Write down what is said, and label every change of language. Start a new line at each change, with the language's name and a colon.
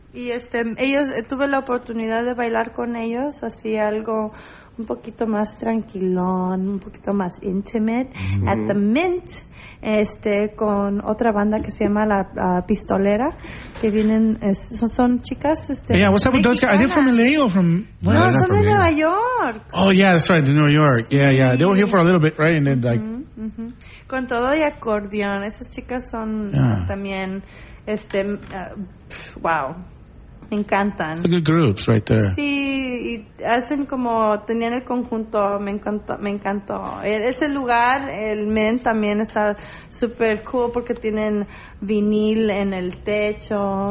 Spanish: Y este, ellos, tuve la oportunidad de bailar con ellos, así algo un poquito más tranquilón, un poquito más intimate, at the Mint, este, con otra banda que se llama La Pistolera, que vienen, son chicas, este.
English: Yeah, what's up with those guys? Are they from LA or from?
Spanish: No, no, son de Nueva York.
English: Oh, yeah, that's right, New York. Sí. Yeah, yeah. They were here for a little bit, right? And then, like.
Spanish: Con todo y acordeón, esas chicas son también. Este, wow, me encantan.
English: The good groups right there.
Spanish: Sí, y hacen como, tenían el conjunto, me encantó. Ese lugar, el Mint, también está super cool porque tienen vinil en el techo.